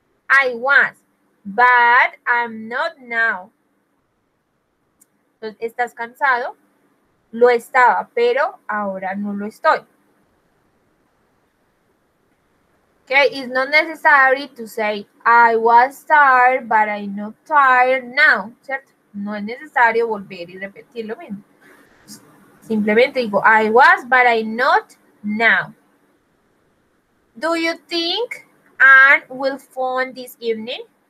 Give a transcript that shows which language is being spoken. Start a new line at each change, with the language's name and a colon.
English: I was, but I'm not now.
Spanish: Entonces, ¿estás cansado? Lo estaba, pero ahora no lo estoy.
English: Okay, it's not necessary to say I was tired, but I'm not tired now.
Spanish: ¿Cierto? No es necesario volver y repetir lo mismo. Simplemente digo,
English: I was, but I'm not now. Do you think Anne will phone this evening?